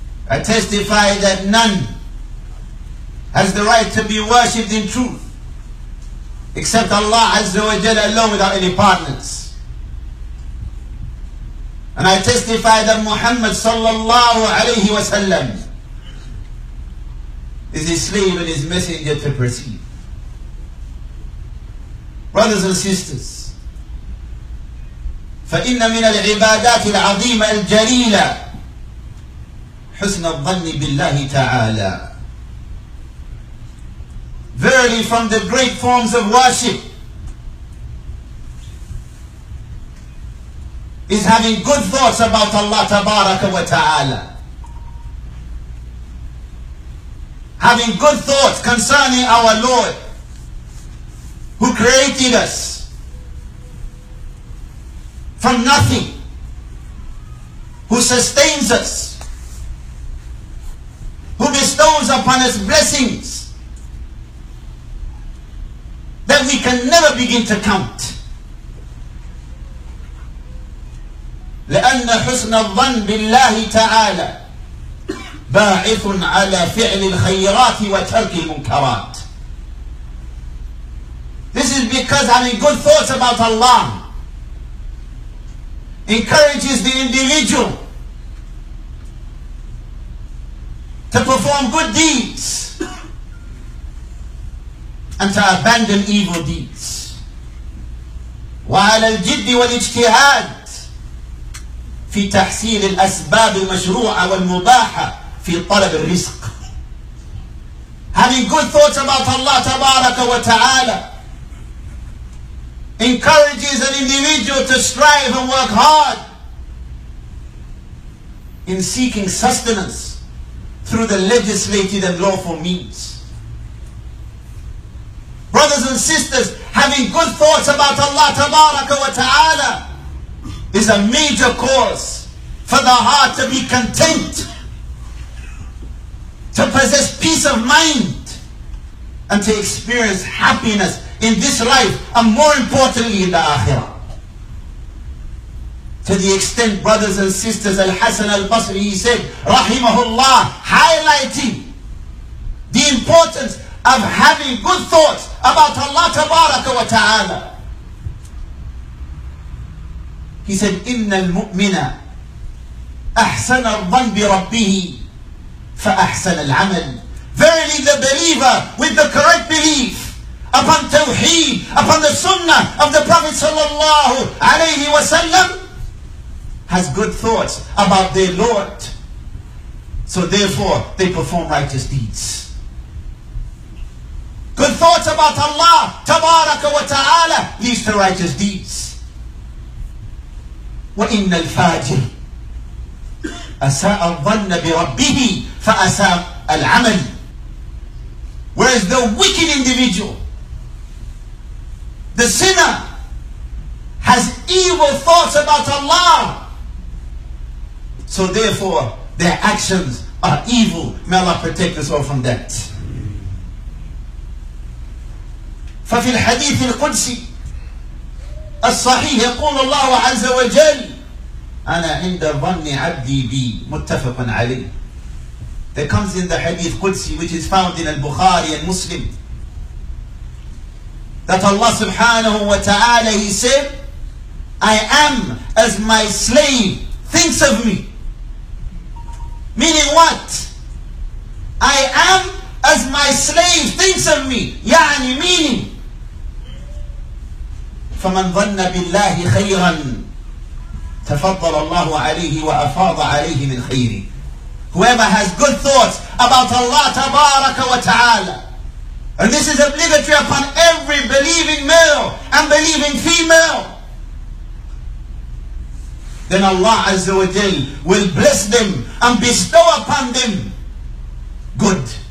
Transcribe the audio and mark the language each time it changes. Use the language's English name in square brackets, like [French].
[English] I testify that none has the right to be worshipped in truth except Allah Azza wa Jalla alone without any partners. And I testify that Muhammad sallallahu alayhi wa sallam is his slave and his messenger to proceed. Brothers and sisters, [Arabic] فَإِنَّ مِنَ الْعِبَادَاتِ الْعَظِيمَ الْجَلِيلَةِ حسن الظن بالله تعالى. [English] Verily from the great forms of worship is having good thoughts about Allah تبارك وتعالى. Having good thoughts concerning our Lord who created us from nothing, who sustains us, who bestows upon us blessings that we can never begin to count. [Arabic] لأن حسن الظن بالله تعالى باعث على فعل الخيرات وترك المنكرات. [English] This is because having good thoughts about Allah encourages the individual to perform good deeds and to abandon evil deeds. [Arabic] وعلى الجد والاجتهاد في تحصيل الأسباب المشروعة والمباحة في طلب الرزق. [English] Having good thoughts about Allah تبارك وتعالى challenges an individual to strive and work hard in seeking sustenance through the legislated and lawful means. Brothers and sisters, having good thoughts about Allah tabaraka wa ta'ala is a major cause for the heart to be content, to possess peace of mind, and to experience happiness in this life, and more importantly in the akhirah. To the extent, brothers and sisters, Al-Hasan Al-Basri, he said, rahimahullah, highlighting the importance of having good thoughts about Allah tabaraka wa ta'ala. He said, [Arabic] إِنَّ الْمُؤْمِنَ أَحْسَنَ الظَّنَّ بِرَبِّهِ فَأَحْسَنَ الْعَمَلِ. [English] Verily the believer with the correct belief upon Tawheed, upon the Sunnah of the Prophet sallallahu alayhi wa sallam, has good thoughts about their Lord. So therefore, they perform righteous deeds. Good thoughts about Allah tabaraka wa ta'ala leads to righteous deeds. [Arabic] وَإِنَّ الْفَاجِرِ أَسَاءَ الظَّنَّ بِرَبِّهِ فَأَسَاءَ الْعَمَلِ. [English] Whereas the wicked individual, the sinner, has evil thoughts about Allah. So therefore, their actions are evil. May Allah protect us all from that. [Arabic] ففي الحديث القدسي الصحيح يقول الله عز وجل أنا عند ظن عبدي بي متفق عليه. [English] That comes in the hadith Qudsi, which is found in Al-Bukhari and Muslim, that Allah subhanahu wa ta'ala, He said, I am as my slave thinks of me. Meaning what? I am as my slave thinks of me. [Arabic] Ya'ani, [English] meaning, [Arabic] فَمَنْ ظَنَّ بِاللَّهِ خَيْرًا تَفَضَّلَ اللَّهُ عَلَيْهِ وَأَفَاضَ عَلَيْهِ مِنْ خَيْرِهِ. [English] Whoever has good thoughts about Allah tabaraka wa ta'ala. And this is obligatory upon every believing male and believing female. Then Allah azza wa jal will bless them and bestow upon them good.